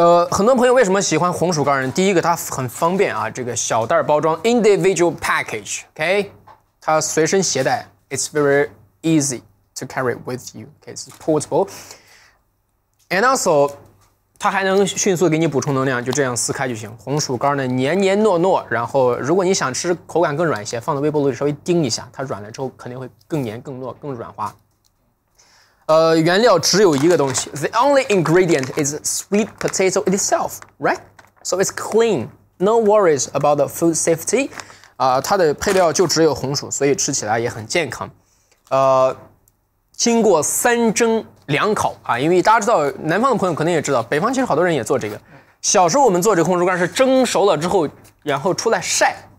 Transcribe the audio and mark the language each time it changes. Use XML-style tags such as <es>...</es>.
<zh>很多朋友为什么喜欢红薯干呢？第一个，它很方便啊，这个小袋包装</zh> <en>individual package，</en> <zh>OK， 它随身携带 ，</zh> <en>it's very easy to carry with you，</en> <zh>OK，</zh> <en>it's portable，</en> <zh>and also， 它还能迅速给你补充能量，就这样撕开就行。红薯干呢，黏黏糯糯，然后如果你想吃口感更软一些，放到微波炉里稍微叮一下，它软了之后肯定会更黏、更糯、更软滑。原料只有一个东西</zh> <en>，the only ingredient is sweet potato itself, right? So it's clean, no worries about the food safety.</en> <zh>它的配料就只有红薯，所以吃起来也很健康。经过三蒸两烤啊，因为大家知道，南方的朋友可能也知道，北方其实好多人也做这个。小时候我们做这个红薯干是蒸熟了之后，然后出来晒。</zh>